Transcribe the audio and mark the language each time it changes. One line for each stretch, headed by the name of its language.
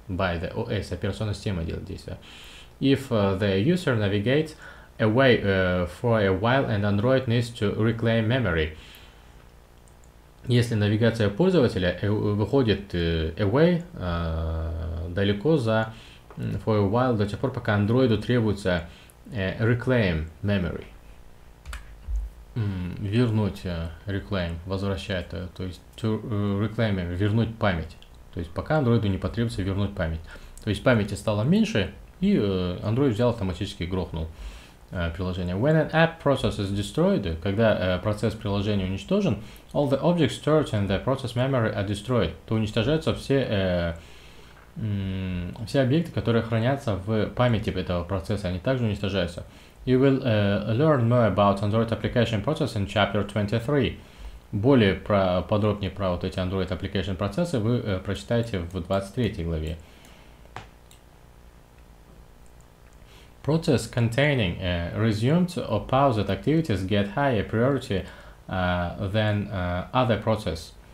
English: By the OS,
Russian: операционная система делает действие.
English: If the user navigates away for a while and Android needs to reclaim memory.
Russian: Если навигация пользователя выходит away, далеко за,
English: for a while,
Russian: до тех пор, пока Android требуется
English: reclaim memory.
Russian: Вернуть reclaim, возвращать, то есть
English: to reclaim,
Russian: вернуть память. То есть пока Android не потребуется вернуть память. То есть памяти стало меньше, и Android взял автоматически и грохнул приложение.
English: When an app process is destroyed,
Russian: когда процесс приложения уничтожен,
English: all the objects stored in the process memory are destroyed.
Russian: То уничтожаются все объекты, которые хранятся в памяти этого процесса, они также уничтожаются.
English: You will learn more about Android application process in chapter 23.
Russian: Более подробнее про вот эти Android application процессы вы прочитаете в 23 главе.
English: Process containing resumed or paused activities get higher priority than other process.